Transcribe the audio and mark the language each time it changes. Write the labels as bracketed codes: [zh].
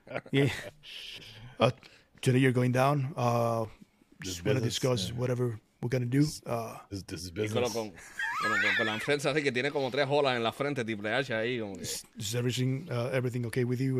[en] Yeah. Today you're going down. Just want to discuss whatever. we're gonna do this is business. [es] Con la frente así que tiene como tres olas en la frente, Triple H ahí. Como que. [en] Is everything everything okay with you?